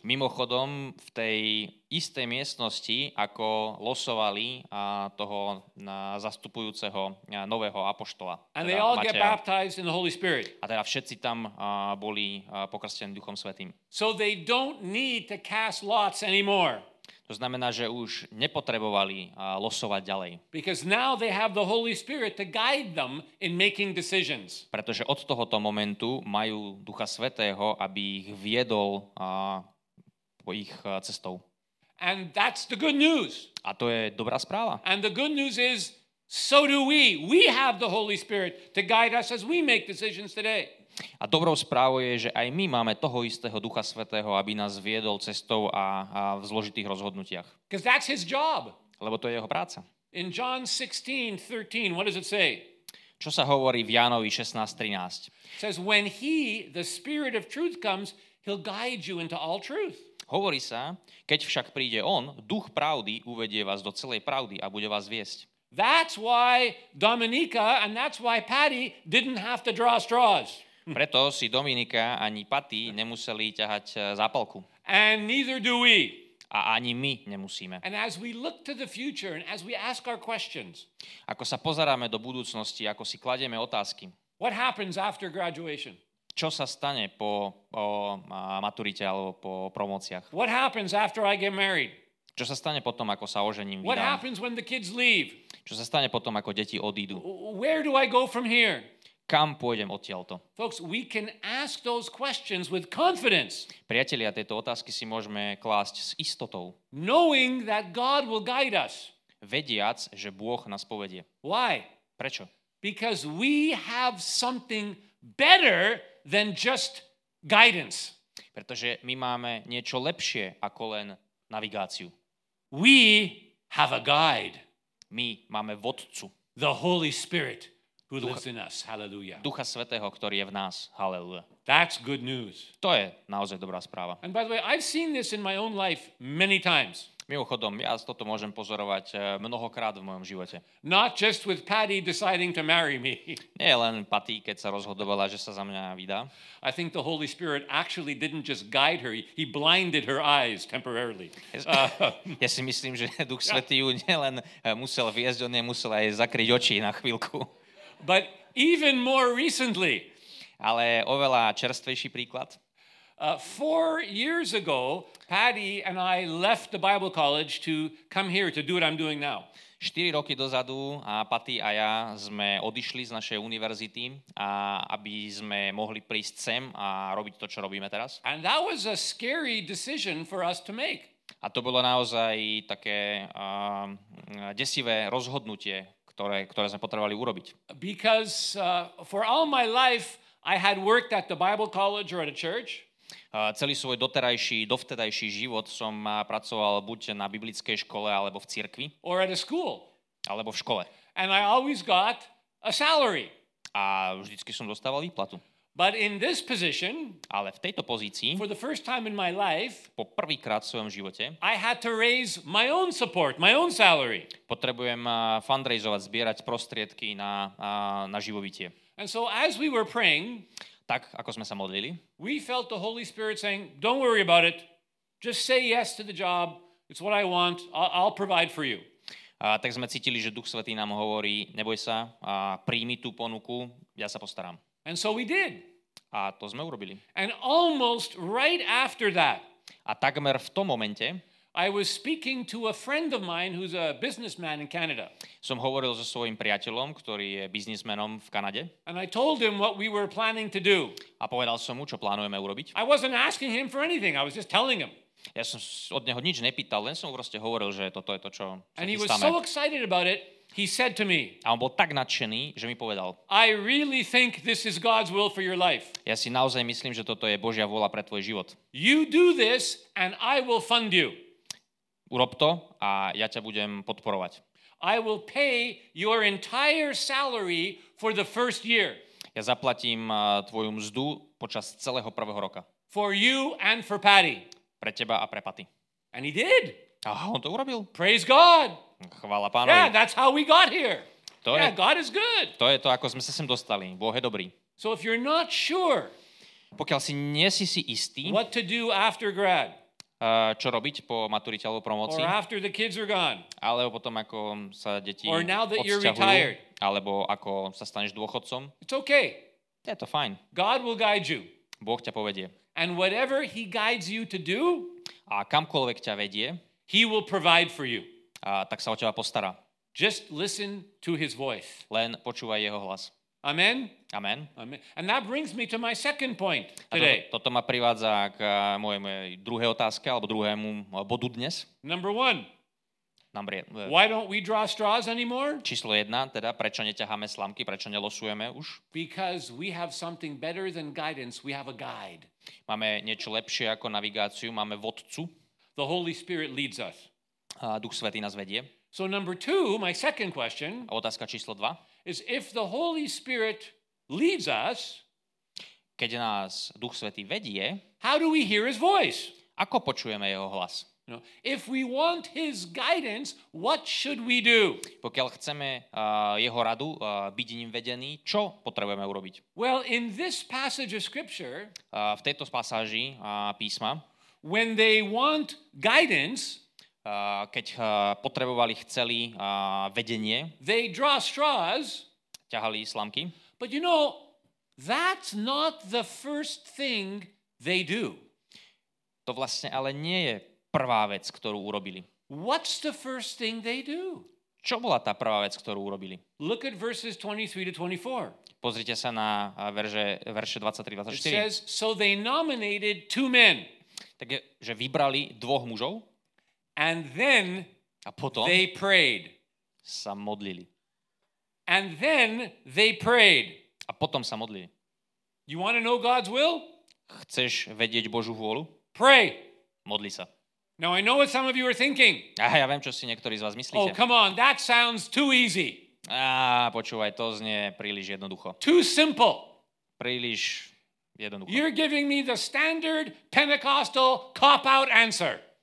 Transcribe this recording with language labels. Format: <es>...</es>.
<sk>Mimochodom, v tej istej miestnosti, ako losovali toho zastupujúceho nového apoštola.</sk> <en>And they all get baptized in the Holy Spirit.</en> <sk>A teda všetci tam boli pokrstení Duchom Svätým.</sk> <en>So they don't need to cast lots anymore.</en> <sk>To znamená, že už nepotrebovali losovať ďalej.</sk> <en>Because now they have the Holy Spirit to guide them in making decisions.</en> <sk>Pretože od tohoto momentu majú Ducha Svätého, aby ich viedol po ich cestou.</sk> <en>And that's the good news.</en> <sk>A to je dobrá správa.</sk> <en>And the good news is so do we. We have the Holy Spirit to guide us as we make decisions today.</en> <sk>A dobrou správou je, že aj my máme toho istého Ducha Svätého, aby nás viedol cestou a v zložitých rozhodnutiach.</sk> <en>Because that's his job.</en> <sk>Lebo to je jeho práca.</sk> <en>In John 16:13, what does it say?</en> <sk>Čo sa hovorí v Jánovi 16:13?</sk> <en>It says when he, the Spirit of truth comes, he'll guide you into all truth.</en> <sk>Hovorí sa, keď však príde on, Duch pravdy, uvedie vás do celej pravdy a bude vás viesť.</sk> <en>That's why Dominika and that's why Patty didn't have to draw straws.</en> <sk>Preto si Dominika ani Patty nemuseli ťahať zápalku.</sk> <en>And neither do we.</en> <sk>A ani my nemusíme.</sk> <en>And as we look to the future and as we ask our questions.</en> <sk>Ako sa pozeráme do budúcnosti, ako si kladieme otázky.</sk> <en>What happens after graduation?</en> <sk>Čo sa stane po maturite alebo po promóciách?</sk> <en>What happens after I get married?</en> <sk>Čo sa stane potom, ako sa ožením, vydám?</sk> <en>What happens when the kids leave?</en> <sk>Čo sa stane potom, ako deti odídu?</sk> <en>Where do I go from here?</en> <sk>Kam pôjdem odtiaľto?</sk> <en>Folks, we can ask those questions with confidence.</en> <sk>Priatelia, tieto otázky si môžeme klásť s istotou.</sk> <en>Knowing that God will guide us.</en> <sk>Vediac, že Boh nás povedie.</sk> <en>Why?</en> <sk>Prečo?</sk> <en>Because we have something better than just guidance.</en> <sk>Pretože my máme niečo lepšie ako len navigáciu.</sk> <en>We have a guide.</en> <sk>My máme vodcu.</sk> <en>The Holy Spirit. Who lives in us? Hallelujah.</en> <sk>Ducha Svätého, ktorý je v nás.</sk> <en>Hallelujah. That's good news.</en> <sk>To je naozaj dobrá správa.</sk> <en>And by the way, I've seen this in my own life many times.</en> <sk>Mimochodom, ja toto môžem pozorovať mnohokrát v mojom živote.</sk> <en>Not just with Patty deciding to marry me.</en> <sk>Nie len Patty, keď sa rozhodovala, že sa za mňa vydá.</sk> <en>I think the Holy Spirit actually didn't just guide her, he blinded her eyes temporarily.</en> <sk>Ja si myslím, že Duch Svätý ju nielen musel viesť, on musel aj zakryť oči na chvíľku.</sk> <en>But even more recently.</en> <sk>Ale oveľa čerstvejší príklad.</sk> <en>4 years ago, Patty and I left the Bible college to come here to do what I'm doing now.</en> <sk>4 roky dozadu a Patty a ja sme odišli z našej univerzity, a aby sme mohli prísť sem a robiť to, čo robíme teraz.</sk> <en>And that was a scary decision for us to make.</en> <sk>A to bolo naozaj také desivé rozhodnutie, ktoré sme potrebovali urobiť.</sk> <en>Because for all my life I had worked at the Bible college or at a church.</en> <sk>Celý svoj doterajší, dovtedajší život som pracoval buď na biblickej škole alebo v cirkvi.</sk> <en>Or at a school.</en> <sk>Alebo v škole.</sk> <en>And I always got a salary.</en> <sk>A vždycky som dostával výplatu.</sk> <en>But in this position,</en> <sk>ale v tejto pozícii,</sk> <en>for the first time in my life,</en> <sk>po prvý krát v svojom živote,</sk> <en>I had to raise my own support, my own salary.</en> <sk>Potrebujem fundraizovať, zbierať prostriedky na živobytie.</sk> <en>And so as we were praying,</en> <sk>tak ako sme sa modlili,</sk> <en>we felt the Holy Spirit saying, don't worry about it, just say yes to the job, it's what I want, I'll provide for you.</en> <sk>A tak sme cítili, že Duch Svätý nám hovorí, neboj sa, príjmi tú ponuku, ja sa postaram.</sk> <en>And so we did.</en> <sk>A to sme urobili.</sk> <en>And almost right after that.</en> <sk>A takmer v tom momente</sk> <en>I was speaking to a friend of mine who's a businessman in Canada.</en> <sk>Som hovoril so svojím priateľom, ktorý je biznismenom v Kanade.</sk> <en>And I told him what we were planning to do.</en> <sk>A povedal som mu, čo plánujeme urobiť.</sk> <en>I wasn't asking him for anything, I was just telling him.</en> <sk>Ja som od neho nič nepýtal, len som mu proste hovoril, že toto je to, čo sa chystáme.</sk> <en>And he was so excited about it, he said to me.</en> <sk>A on bol tak nadšený, že mi povedal.</sk> <en>I really think this is God's will for your life.</en> <sk>Ja si naozaj myslím, že toto je Božia vôľa pre tvoj život.</sk> <en>You do this and I will fund you.</en> <sk>Urob to a ja ťa budem podporovať.</sk> <en>I will pay your entire salary for the first year.</en> <sk>Ja zaplatím tvoju mzdu počas celého prvého roka.</sk> <en>For you and for Patty.</en> <sk>Pre teba a pre Patty.</sk> <en>And he did.</en> <sk>A on to urobil.</sk> <en>Praise God.</en> <sk>Chvála Pánovi.</sk> <en>Yeah, that's how we got here.</en> <sk>To</sk> <en>yeah,</en> <sk>je,</sk> <en>God is good.</en> <sk>To je to, ako sme sa sem dostali. Boh je dobrý. So if you're not sure. Pokiaľ si nie si si istý. What to do after grad? Čo robiť po maturite alebo promocii. Or after the kids are gone. Alebo potom, ako sa deti odsťahujú. Alebo ako sa staneš dôchodcom.</sk> <en>It's okay.</en> <sk>Je to fajn.</sk> <en>God will guide you.</en> <sk>Boh ťa povedie.</sk> <en>And whatever he guides you to do,</en> <sk>a kamkoľvek ťa vedie,</sk> <en>he will provide for you.</en> <sk>A tak sa o teba postará.</sk> <en>Just listen to his voice.</en> <sk>Len počúvaj jeho hlas.</sk> <en>Amen.</en> <sk>Amen.</sk> <en>Amen. And that brings me to my second point today. Toto ma privádza k mojej druhej otázke alebo druhému bodu dnes. Number one. Number Why don't we draw straws anymore?</en> <sk>Číslo 1, teda prečo neťaháme slamky, prečo nelosujeme už?</sk> <en>Because we have something better than guidance, we have a guide.</en> <sk>Máme niečo lepšie ako navigáciu, máme vodcu.</sk> <en>The Holy Spirit leads us.</en> <sk>A Duch Svätý nás vedie.</sk> <en>So number two, my second question.</en> <sk>A otázka číslo 2.</sk> <en>Is if the Holy Spirit leads us,</en> <sk>keď nás Duch Svätý vedie,</sk> <en>how do we hear his voice?</en> <sk>Ako počujeme jeho hlas?</sk> <en>No, if we want his guidance, what should we do?</en> <sk>Pokiaľ chceme jeho radu, byť ním vedený, čo potrebujeme urobiť?</sk> <en>Well, in this passage of scripture,</en> <sk>v tejto pasáži písma,</sk> <en>when they want guidance,</en> <sk>keď potrebovali chceli vedenie,</sk> <en>they draw straws,</en> <sk>ťahali slamky.</sk> <en>But you know, that's not the first thing they do.</en> <sk>To vlastne ale nie je prvá vec, ktorú urobili.</sk> <en>What's the first thing they do?</en> <sk>Čo bola tá prvá vec, ktorú urobili?</sk> <en>Look at verses 23 to 24.</en> <sk>Pozrite sa na verše 23-24.</sk> <en>It says, so they nominated two men.</en> <sk>Takže vybrali dvoch mužov.</sk> <en>And then they prayed.</en> <sk>Sa modlili.</sk> <en>And then they prayed.</en> <sk>A potom sa modlili.</sk> <en>You want to know God's will?</en> <sk>Chceš vedieť Božú vôľu?</sk> <en>Pray.</en> <sk>Modli sa.</sk> <en>Now I know what some of you are thinking.</en> <sk>Aha, ja viem, čo si niektorí z vás myslíte.</sk> <en>Oh, come on, that sounds too easy.</en> <sk>Počúvaj, to znie príliš jednoducho.</sk> <en>Too simple.</en> <sk>Príliš jednoducho.</sk> <en>You're giving me the standard Pentecostal cop-out answer.</en>